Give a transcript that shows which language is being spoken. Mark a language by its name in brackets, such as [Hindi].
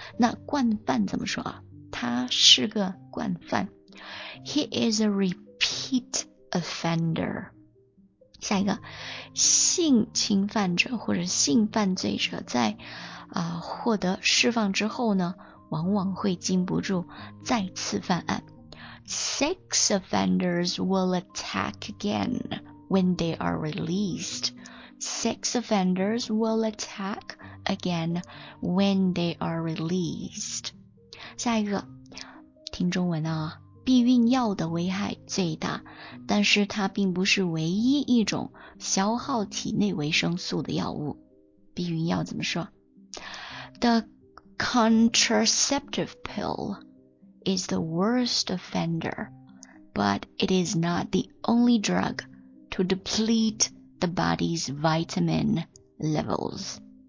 [Chinese] 那惯犯怎么说啊？他是个惯犯。 [English] He is a repeat offender。 [Chinese] 下一个，性侵犯者或者性犯罪者在获得释放之后呢，往往会禁不住再次犯案。 [English] Sex offenders will attack again when they are released. Sex offenders will attack again when they are released. [Chinese] 下一个，听中文啊，避孕药的危害最大，但是它并不是唯一一种消耗体内维生素的药物。避孕药怎么说？ [English] The contraceptive pillis the worst offender, but it is not the only drug to deplete the body's vitamin levels.